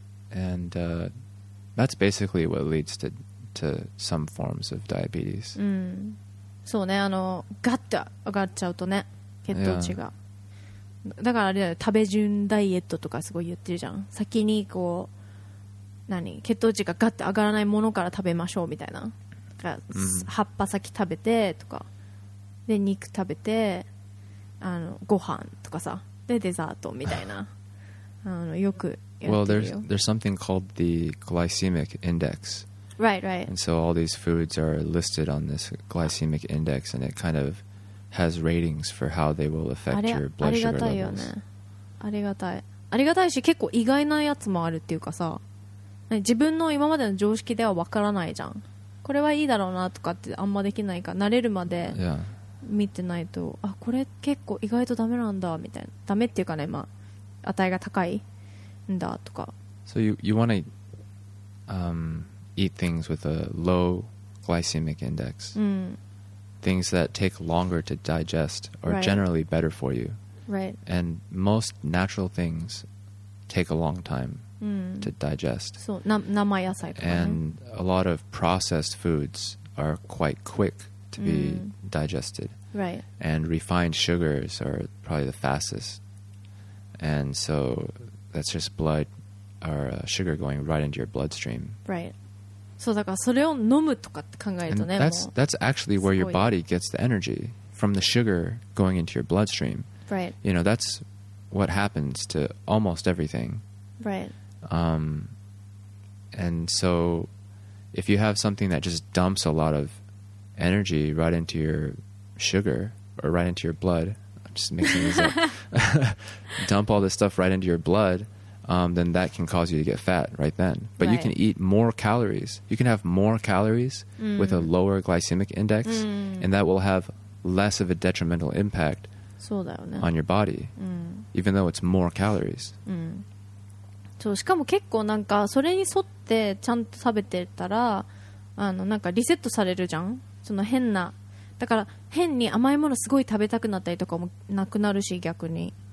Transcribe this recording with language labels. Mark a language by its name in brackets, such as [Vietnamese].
[English] And that's basically what leads to some forms of diabetes. [Japanese] そうね、あのガッと上がっちゃうとね、血糖値が。だからあれだよ、食べ順ダイエットとかすごい言ってるじゃん。先にこう何、血糖値がガッて上がらないものから食べましょうみたいな、だから、葉っぱ先食べてとかで肉食べて、あのご飯とかさ、でデザートみたいな、あのよくやってるよ。 [English] Well, there's something called the glycemic index. Right, right. And so all these foods are listed on this glycemic index, and it kind of has ratings for how they will affect your blood sugar levels. [Japanese] ありがたいよね。ありがたい。ありがたいし、結構意外なやつもあるっていうかさ、自分の今までの常識ではわからないじゃん。これはいいだろうなとかってあんまできないか、慣れるまで見てないと、 [English] yeah. [Japanese] あ、これ結構意外とダメなんだみたいな。ダメっていうかね、まあ値が高いんだとか。 [English] So you want to eat things with a low glycemic index. [Japanese] うん。 [English] Things that take longer to digest are right. generally better for you. Right. And most natural things take a long time to digest. [Japanese] So, 生野菜とかね。 [English] And a lot of processed foods are quite quick to be digested. Right. And refined sugars are probably the fastest. And so that's just blood or sugar going right into your bloodstream. Right. [Japanese] そうだからそれを飲むとかって考えるとね、 [English] That's actually where your body gets the energy from the sugar going into your bloodstream. Right. You know, that's what happens to almost everything. Right. And so if you have something that just dumps a lot of energy right into your sugar or right into your blood, just mixing these up, dump all this stuff right into your blood, then that can cause you to get fat right then. But right. you can eat more calories. You can have more calories mm. with a lower glycemic index, mm. and that will have less of a detrimental impact on your body, mm. even though it's more calories. [Japanese] So, しかも結構なんかそれに沿ってちゃんと食べてたら、あのなんかリセットされるじゃん。その変な、だから変に甘いものすごい食べたくなったりとかもなくなるし、逆に。